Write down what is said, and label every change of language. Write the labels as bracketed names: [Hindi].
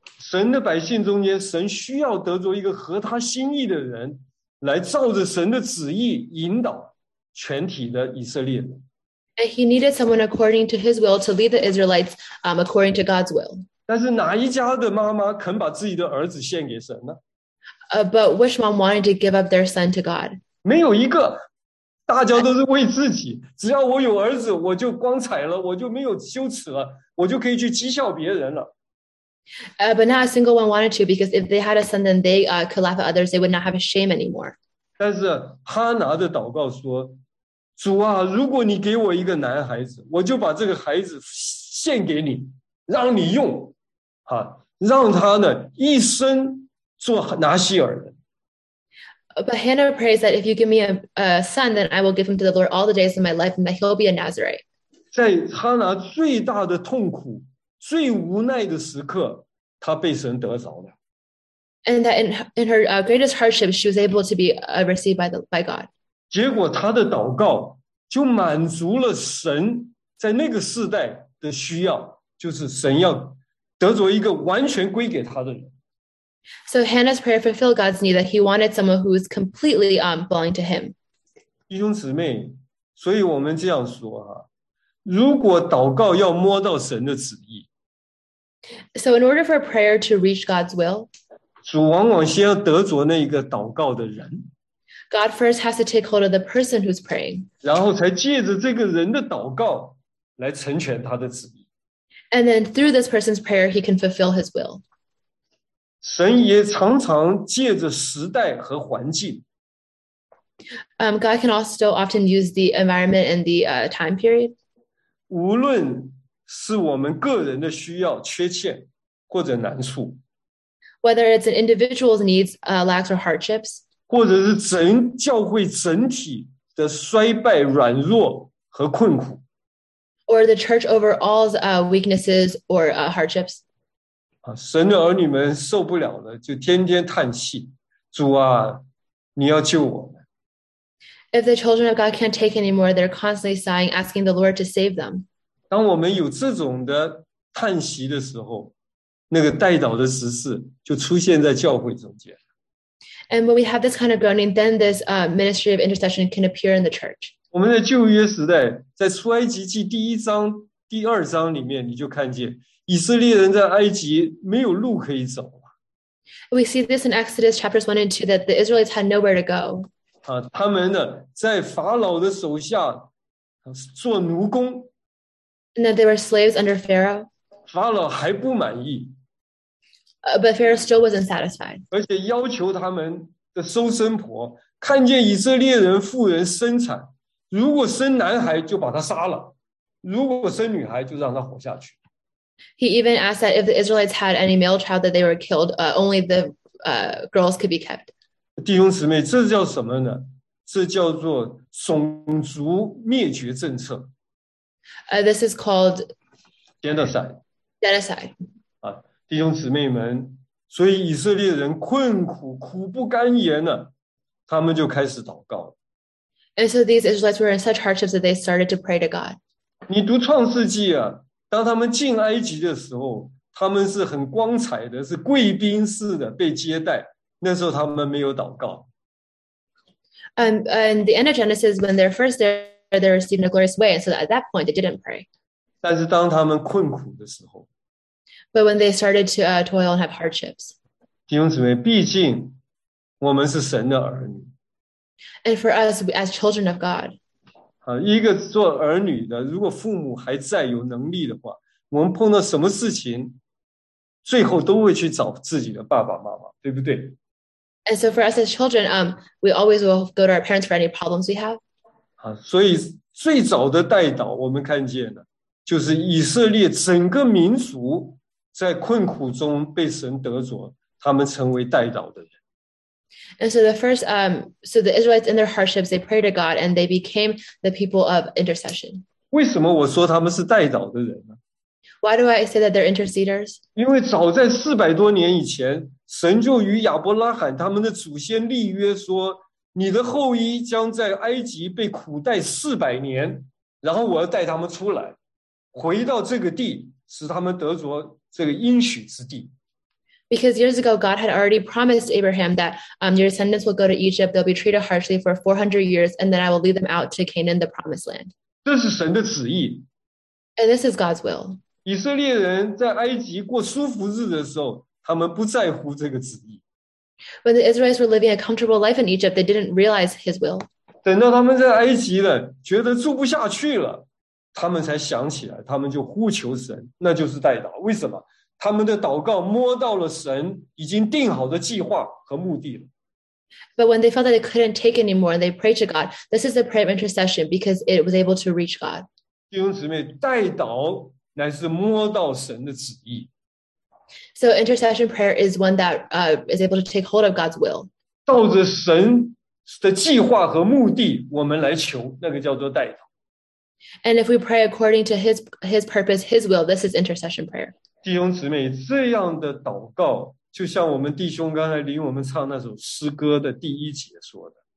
[Chinese] 神的百姓中间，神需要得着一个合他心意的人，来照着神的旨意引导全体的以色列人。 [English] And he needed someone according to his will to lead the Israelites, according to God's will. [Chinese] 但是哪一家的妈妈肯把自己的儿子献给神呢？ [English] But which mom wanted to give up their son to God? [Chinese] 没有一个，大家都是为自己。只要我有儿子，我就光彩了，我就没有羞耻了，我就可以去讥笑别人了。 [English] But not a single one wanted to, because if they had a son, then they could laugh at others. They would not have a shame anymore. [Chinese] 但是哈拿的祷告说，主啊，如果你给我一个男孩子，我就把这个孩子献给你，让你用，啊，让他呢一生做拿西尔人。 [English] But Hannah prays that if you give me a son, then I will give him to the Lord all the days of my life, and that he will be a Nazarite. [Chinese] 在哈拿最大的痛苦、最无奈的时刻，她被神得着了。 [English] And that in her greatest hardship, she was able to be received by God. [Chinese] 结果她的祷告就满足了神在那个世代的需要，就是神要得着一个完全归给他的人。 [English] So Hannah's prayer fulfilled God's need that he wanted someone who was completely belonging to him. [Chinese] 弟兄姊妹，所以我们这样说啊，如果祷告要摸到神的旨意， [English] So in order for a prayer to reach God's will, [Chinese] 主往往先要得着那个祷告的人， [English] God first has to take hold of the person who's praying. [Chinese] 然后才借着这个人的祷告来成全他的旨意。 [English] And then through this person's prayer, he can fulfill his will. [Chinese] 神也常常借着时代和环境。 [English] God can also often use the environment and the time period. [Chinese] 无论是我们个人的需要、缺陷或者难处， [English] whether it's an individual's needs, lacks or hardships, [Chinese] 或者是整教会整体的衰败、软弱和困苦， [English] or the church overall's weaknesses or hardships. [Chinese] 神的儿女们受不了了，就天天叹气，主啊，你要救我们。 [English] If the children of God can't take anymore, they're constantly sighing, asking the Lord to save them. [Chinese] 当我们有这种的叹息的时候，那个代祷的执事就出现在教会中间。 [English] And when we have this kind of groaning, then this ministry of intercession can appear in the church. [Chinese] 我们在旧约时代，在出埃及记第一章、第二章里面，你就看见以色列人在埃及没有路可以走啊。 [English] We see this in Exodus chapters 1 and 2 that the Israelites had nowhere to go. [Chinese] 他们呢在法老的手下做奴工。 [English] And that they were slaves under Pharaoh. [Chinese] 法老还不满意。 [English] But Pharaoh still wasn't satisfied. [Chinese] 而且要求他们的收生婆看见以色列人妇人生产，如果生男孩就把他杀了，如果生女孩就让他活下去。 [English] He even asked that if the Israelites had any male child that they were killed, only the girls could be kept. [Chinese] 弟兄姊妹，这叫什么呢？这叫做种族灭绝政策。 [English] This is called genocide. Genocide. [Chinese] 弟兄姊妹们，所以以色列人困苦苦不甘言呢，他们就开始祷告。 [English] And so these Israelites were in such hardships that they started to pray to God. [Chinese] 你读创世纪啊。当他们进埃及的时候，他们是很光彩的，是贵宾式的被接待。那时候他们没有祷告。 [English] And the end of Genesis, when they're first there, they received in a glorious way, and so at that point they didn't pray. [Chinese] 但是当他们困苦的时候 [English] ，But when they started to toil and have hardships. [Chinese] 弟兄姊妹，毕竟我们是神的儿女。 [English] And for us as children of God. [Chinese] 一个做儿女的，如果父母还在有能力的话，我们碰到什么事情，最后都会去找自己的爸爸妈妈，对不对？ [English] And so for us as children, we always will go to our parents for any problems we have. [Chinese] 啊，所以最早的代祷，我们看见了，就是以色列整个民族在困苦中被神得着，他们成为代祷的人。 [English] And so the first, so the Israelites in their hardships, they prayed to God and they became the people of intercession. [Chinese] 为什么我说他们是代祷的人呢？ [English] Why do I say that they're interceders? [Chinese] 因为早在400多年以前，神就与亚伯拉罕他们的祖先立约说，你的后裔将在埃及被苦待400年，然后我要带他们出来，回到这个地，使他们得着这个应许之地。 [English] Because years ago, God had already promised Abraham that your descendants will go to Egypt, they'll be treated harshly for 400 years, and then I will lead them out to Canaan, the promised land. [Chinese] 这是神的旨意。 [English] And this is God's will. [Chinese] 以色列人在埃及过舒服日的时候，他们不在乎这个旨意。 [English] When the Israelites were living a comfortable life in Egypt, they didn't realize his will. [Chinese] 等到他们在埃及了，觉得住不下去了，他们才想起来，他们就呼求神，那就是代祷。为什么？他们的祷告摸到了神已经定好的计划和目的了。 [English] But when they felt that they couldn't take anymore, they prayed to God. This is a prayer of intercession because it was able to reach God. [Chinese] 弟兄姊妹，代祷乃是摸到神的旨意。 [English] So intercession prayer is one that is able to take hold of God's will. [Chinese] 照着神的计划和目的，我们来求，那个叫做代祷。 [English] And if we pray according to his purpose, his will, this is intercession prayer. [Chinese] 弟兄姊妹，这样的祷告，就像我们弟兄刚才领我们唱那首诗歌的第一节说的。